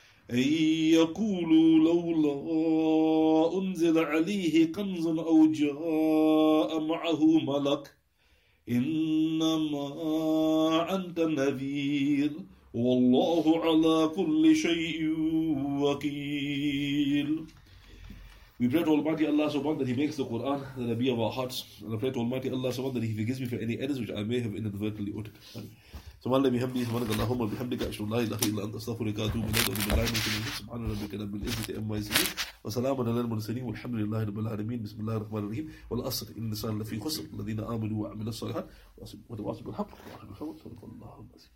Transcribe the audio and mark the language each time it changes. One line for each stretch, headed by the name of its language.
Arabic: أن يقولوا لولا أنزل عليه كنز أو جاء معه ملك إنما أنت نذير والله على كل شيء وكيل.
English: We pray to Almighty Allah subhanahu that He makes the Quran the Nabi of our hearts. And I pray to Almighty Allah subhanahu that He forgives me for any errors which I may have inadvertently uttered.
Arabic: سبحان الله بحمده سبحانك اللهم وبحمدك أشهد أن لا إله إلا أنت أستغفرك وأتوب إليك وأتوب إلى المسلمين سبحان ربك رب العزة عما يصفون وسلام على المرسلين والحمد لله رب العالمين بسم الله الرحمن الرحيم والعصر إن الإنسان لفي خسر الذين آمنوا وعملوا الصالحات وتواصوا بالحق وتواصوا بالصبر صدق الله العظيم.